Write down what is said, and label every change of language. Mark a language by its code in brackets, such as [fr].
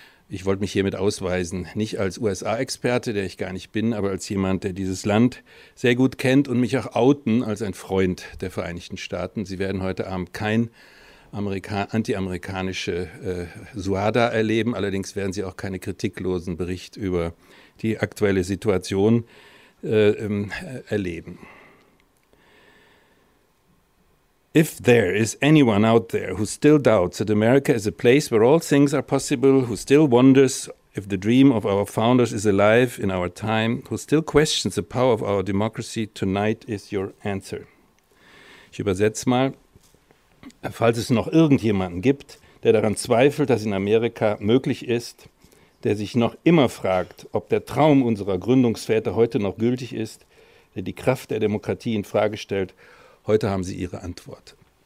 [de] Ich wollte mich hiermit ausweisen, nicht als USA-Experte, der ich gar nicht bin, aber als jemand, der dieses Land sehr gut kennt und mich auch outen als ein Freund der Vereinigten Staaten. Sie werden heute Abend kein anti-amerikanische Suada erleben. Allerdings werden Sie auch keinen kritiklosen Bericht über die aktuelle Situation erleben. [en] If there is anyone out there who still doubts that America is a place where all things are possible, who still wonders if the dream of our founders is alive in our time, who still questions the power of our democracy, tonight is your answer. [de] Ich übersetze mal. Falls es noch irgendjemanden gibt, der daran zweifelt, dass in Amerika möglich ist, der sich noch immer fragt, ob der Traum unserer Gründungsväter heute noch gültig ist, der die Kraft der Demokratie in Frage stellt, heute haben Sie Ihre Antwort.